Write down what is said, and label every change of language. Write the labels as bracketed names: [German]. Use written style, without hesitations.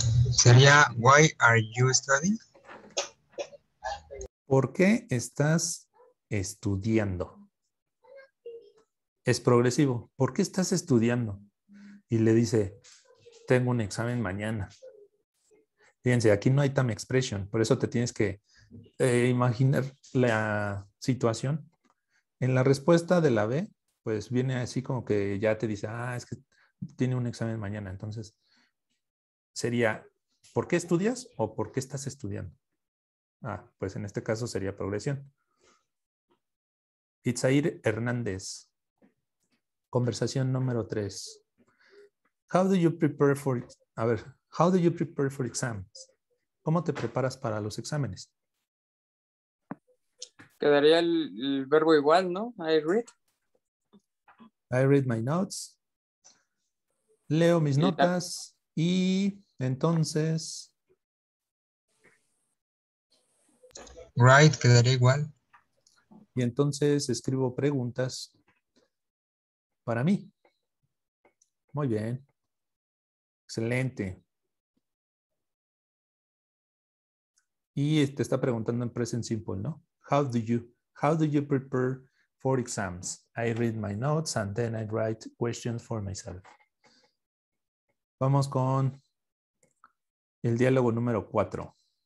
[Spanish] Sería, [English] why are you studying? [Spanish] ¿Por qué estás estudiando? Es progresivo. ¿Por qué estás estudiando? Y le dice, tengo un examen mañana. Fíjense, aquí no hay time expression. Por eso te tienes que imaginar la situación. En la respuesta de la B, pues viene así como que ya te dice, ah, es que tiene un examen mañana. Entonces, sería ¿por qué estudias o por qué estás estudiando? Ah, pues en este caso sería progresión. Itzair Hernández. Conversación número 3. [English] How do you prepare for, [Spanish] a ver, [English] how do you prepare for exams? [Spanish] ¿Cómo te preparas para los exámenes? Quedaría el verbo igual, ¿no? [English] I read my notes. [Spanish] Leo mis notas y entonces write quedaría igual. Y entonces escribo preguntas para mí. Muy bien. Excelente. Y te está preguntando en present simple, ¿no? [English] How do you prepare for exams? I read my notes and then I write questions for myself. [Spanish] Vamos con el diálogo número 4.